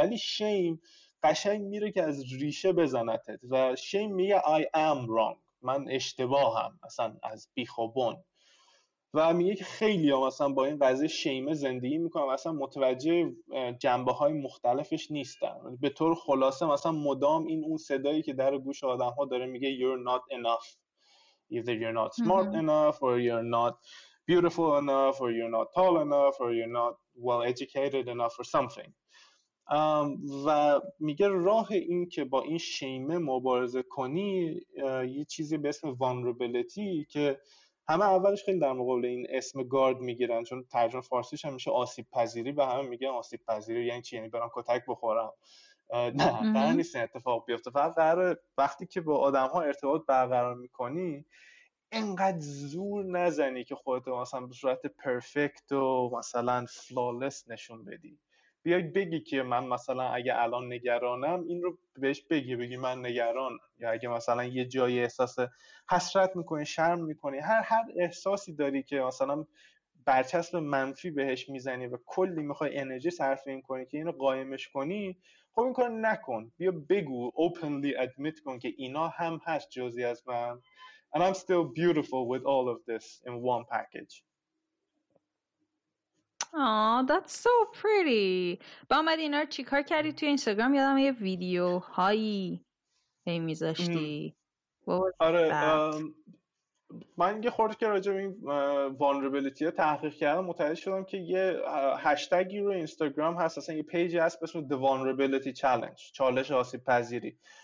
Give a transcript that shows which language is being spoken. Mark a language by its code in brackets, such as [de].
[fa] ولی شیم قشنگ میره که از ریشه بزنتت و شیم میگه [en] I am wrong، [fa] من اشتباهم اصلا از بیخوبون. و میگه که خیلی هم اصلا با این قضیه شیمه زندگی میکنم و اصلا متوجه جنبه های مختلفش نیستم. به طور خلاصه مثلا مدام این اون صدایی که در گوش آدم ها داره میگه [en] You're not enough. Either you're not smart enough or you're not beautiful enough or you're not tall enough or you're not well educated enough or something. [fa] و میگه راه این که با این شیمه مبارزه کنی یه چیزی به اسم vulnerability، که همه اولش خیلی در مقابل این اسم گارد میگیرن، چون ترجمه فارسیش هم میشه آسیب پذیری، و همه میگن آسیب پذیری یعنی چی؟ یعنی برام کتک بخورم؟ نه، قرار نیست اتفاق بیفته. فقط قرار وقتی که با آدم ها ارتباط برقرار میکنی اینقدر زور نزنی که خودت مثلا به صورت پرفکت و مثلا فلالس نشون بدی. بیای بگی که من مثلا اگه الان نگرانم این رو بهش بگی من نگرانم، یا اگه مثلا یه جایی احساس حسرت میکنی، شرم میکنی، هر احساسی داری که مثلا برچسب منفی بهش میزنی و کلی میخوای انرژی صرف این کنی که اینو قایمش کنی، خب این کار نکن. بیا بگو، [en] openly admit [fa] کن که اینا هم هست جزی از من. [en] And I'm still beautiful with all of this in one package. Aw, that's so pretty. [fa] با اومد اینا رو چیکار کردی توی اینستاگرام؟ یادم یه ویدیو هایی میذاشتی. آره، من یه خورده که راجع به این وانربلیتی ها تحقیق کردم، متوجه شدم که یه هشتگی رو اینستاگرام هست، اصلا یه پیجی هست به اسم The Vulnerability Challenge، چالش آسیب پذیری.